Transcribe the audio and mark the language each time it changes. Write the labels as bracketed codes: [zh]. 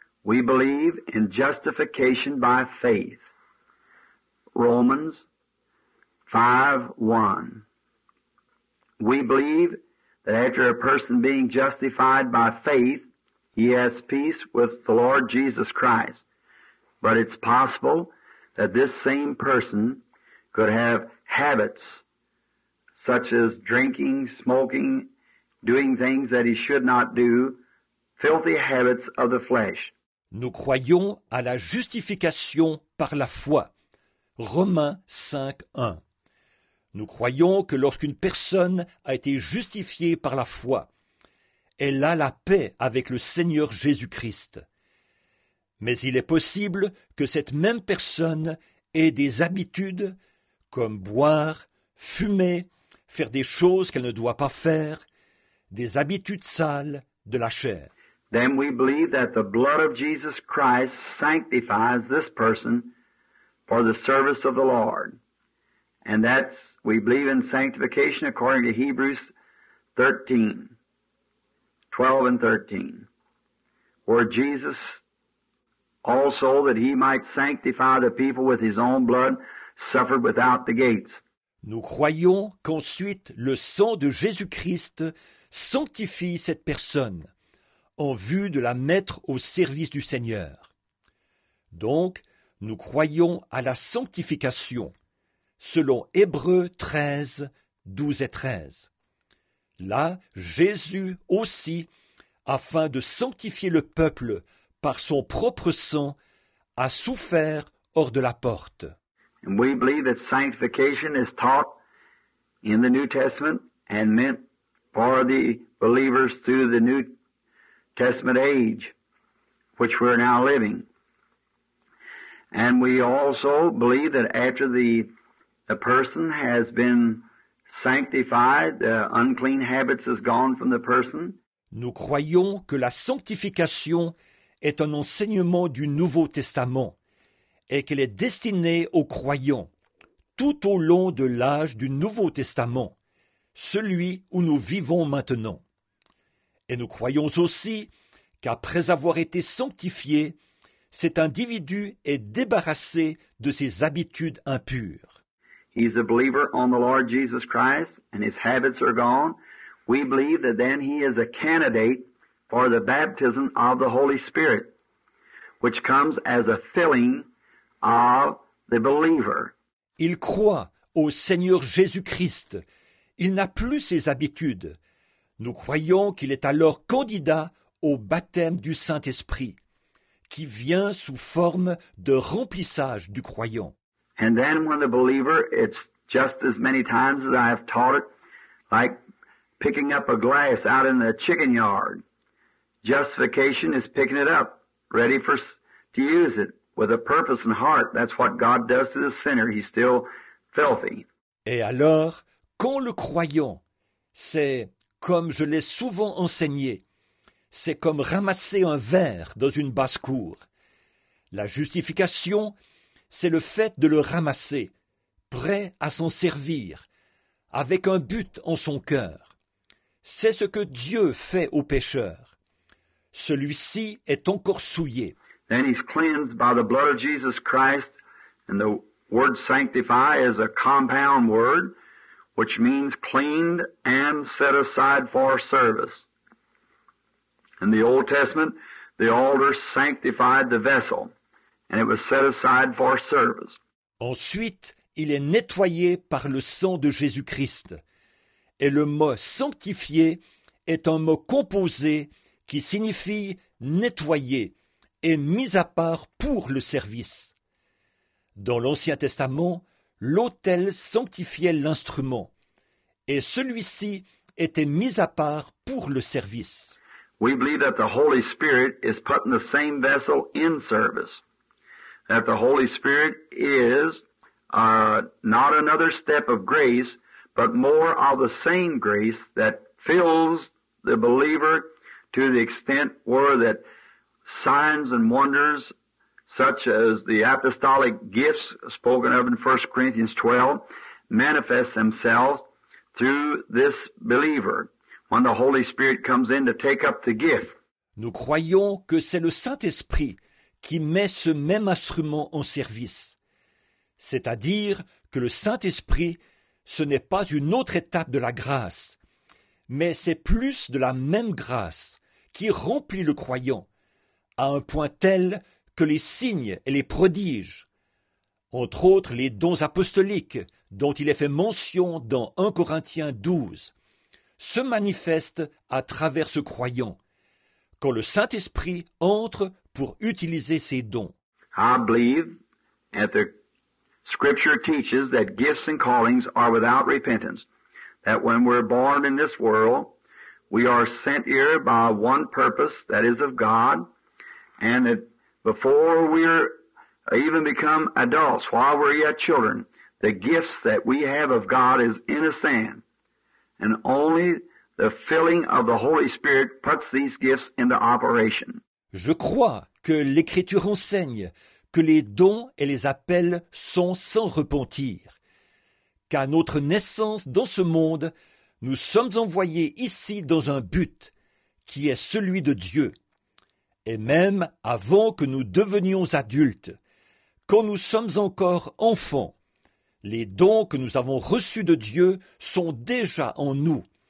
[en] We believe in justification by faith. Romans 5:1. We believe that after a person being justified by faith, he has peace with the Lord Jesus Christ. But it's possible that this same person could have habits such as drinking, smoking, doing things that he should not do, filthy habits of the flesh. [fr] Nous croyons à la justification par la foi. Romains 5:1. Nous croyons que lorsqu'une personne a été justifiée par la foi, elle a la paix avec le Seigneur Jésus-Christ. Mais il est possible que cette même personne ait des habitudes comme boire, fumer, faire des choses qu'elle ne doit pas faire, des habitudes sales de la chair. [en] Then we believe that the blood of Jesus Christ sanctifies this person for the service of the Lord. And that's, we believe in sanctification according to Hebrews 13:12-13, where Jesus also, that he might sanctify the people with his own blood, suffered without the gates. [fr] Nous croyons qu'ensuite le sang de Jésus-Christ sanctifie cette personne en vue de la mettre au service du Seigneur. Donc, nous croyons à la sanctification, selon Hébreux 13:12-13. Là, Jésus aussi, afin de sanctifier le peuple par son propre sang, a souffert hors de la porte. [en] And we believe that sanctification is taught in the New Testament and meant for the believers through the New Testament age, which we're now living. And we also believe that after the person has been sanctified, the unclean habits is gone from the person. [fr] Nous croyons que la sanctification est un enseignement du Nouveau Testament et qu'elle est destinée aux croyants tout au long de l'âge du Nouveau Testament, celui où nous vivons maintenant. Et nous croyons aussi qu'après avoir été sanctifié, cet individu est débarrassé de ses habitudes impures. [en] He's a believer on the Lord Jesus Christ and his habits are gone. We believe that then he is a candidate for the baptism of the Holy Spirit, which comes as a filling of the believer. [fr] Il croit au Seigneur Jésus-Christ. Il n'a plus ses habitudes. Nous croyons qu'il est alors candidat au baptême du Saint-Esprit, qui vient sous forme de remplissage du croyant. [en] And then when the believer, it's just as many times as I have taught it, like picking up a glass out in the chicken yard. Justification is picking it up, ready for to use it with a purpose and heart. That's what God does to the sinner. He's still filthy. [fr] Et alors, quand le croyant, c'est comme je l'ai souvent enseigné, c'est comme ramasser un verre dans une basse-cour. La justification, c'est le fait de le ramasser, prêt à s'en servir, avec un but en son cœur. C'est ce que Dieu fait au pécheur. Celui-ci est encore souillé. [en] Then he's cleansed by the blood of Jesus Christ, and the word sanctify is a compound word, which means cleaned and set aside for service. In the Old Testament, the altar sanctified the vessel, and it was set aside for service. [fr] Ensuite, il est nettoyé par le sang de Jésus-Christ, et le mot sanctifié est un mot composé qui signifie « nettoyer » et « mis à part pour le service ». Dans l'Ancien Testament, l'autel sanctifiait l'instrument, et celui-ci était mis à part pour le service. [en] We believe that the Holy Spirit is putting the same vessel in service, that the Holy Spirit is not another step of grace, but more of the same grace that fills the believer to the extent where that signs and wonders, such as the apostolic gifts spoken of in 1 Corinthians 12, manifest themselves through this believer when the Holy Spirit comes in to take up the gift. [fr] Nous croyons que c'est le Saint-Esprit qui met ce même instrument en service. C'est-à-dire que le Saint-Esprit, ce n'est pas une autre étape de la grâce, mais c'est plus de la même grâce qui remplit le croyant, à un point tel que les signes et les prodiges, entre autres les dons apostoliques dont il est fait mention dans 1 Corinthiens 12, se manifestent à travers ce croyant, quand le Saint-Esprit entre pour utiliser ses dons. [en] I believe that the Scripture teaches that gifts and callings are without repentance, that when we're born in this world, we are sent here by one purpose, that is of God, and that before we're even become adults, while we're yet children, the gifts that we have of God is in a sand, and only the filling of the Holy Spirit puts these gifts into operation. [fr] Je crois que l'Écriture enseigne que les dons et les appels sont sans repentir, qu'à notre naissance dans ce monde, nous sommes envoyés ici dans un but qui est celui de Dieu. Et même avant que nous devenions adultes, quand nous sommes encore enfants, les dons que nous avons reçus de Dieu sont déjà en nous.